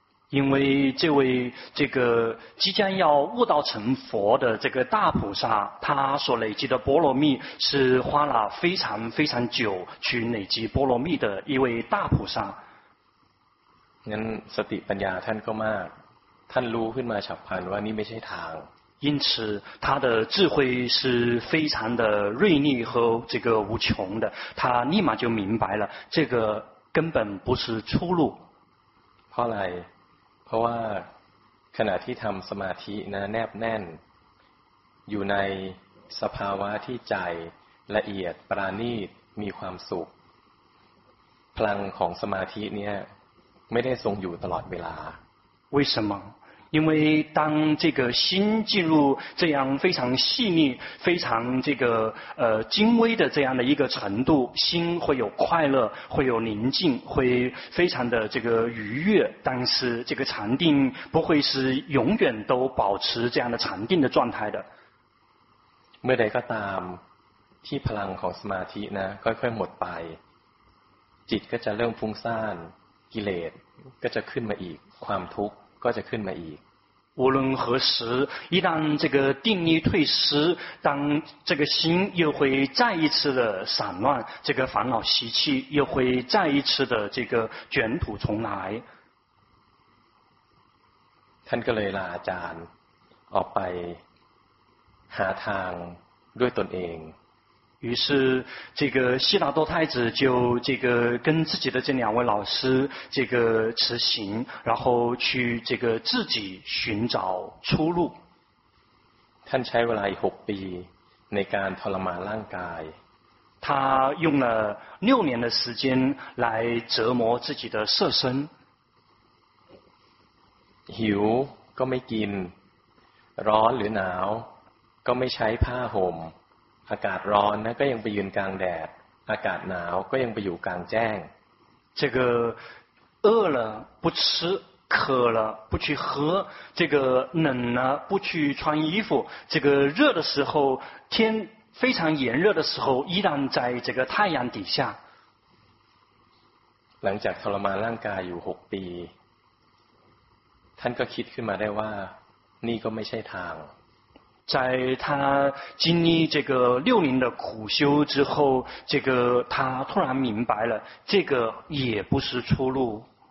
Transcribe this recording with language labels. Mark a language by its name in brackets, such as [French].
[Chinese] 因为这位这个即将要悟道成佛的这个大菩萨他所累积的波罗蜜是花了非常非常久去累积波罗蜜的一位大菩萨 [Thai] งั้นสติปัญญาท่านก็มากท่านรู้ขึ้นมาฉับพลันว่านี่ไม่ใช่ทาง [Chinese] 因此他的智慧是非常的锐利和这个无穷的他立马就明白了这个根本不是出路 [Thai] เพราะอะไรเพราะว่าขณะที่ทำสมาธินะแนบแน่นอยู่ในสภาวะที่ใจละเอียดปราณีตมีความสุขพลังของสมาธินี้ไม่ได้ทรงอยู่ตลอดเวลา [Chinese] 为什么因为当这个心进入这样非常细腻非常这个精微的这样的一个程度心会有快乐会有宁静会非常的这个愉悦但是这个禅定不会是永远都保持这样的禅定的状态的 [Thai] เมื่อใดก็ตามที่พลังของสมาธินะค่อยๆหมดไปจิตก็จะเริ่มฟุ้งซ่านกิเลสก็จะขึ้นมาอีกความทุกข์ก็จะขึ้นมาอีก [Chinese] 无论何时一旦这个定力退失当这个心又会再一次的散乱这个烦恼习气又会再一次的这个卷土重来 [Thai] ท่านก็เลยลาอาจารย์ออกไปหาทางด้วยตนเอง [Chinese] 于是这个悉达多太子就这个跟自己的这两位老师这个辞行然后去这个自己寻找出路 [Thai] ท่านใช้เวลาอีก6ปีในการทรมานร่างกาย [Chinese] 他用了6年的时间来折磨自己的色身 [Thai] หิวก็ไม่กินร้อนหรือหนาวก็ไม่ใช้ผ้าห่มอากาศร้อนนะก็ยังไปยืนกลางแดดอากาศหนาวก็ยังไปอยู่กลางแจ้ง [Chinese] 这个饿了不吃渴了不去喝这个冷了不去穿衣服这个热的时候天非常炎热的时候依然在这个太阳底下 [Thai] หลังจากทรมานร่างกายอยู่6ปีท่านก็คิดขึ้นมาได้ว่านี่ก็ไม่ใช่ทาง [Chinese] 在他经历这个六年的苦修之后，这个他突然明白了，这个也不是出路。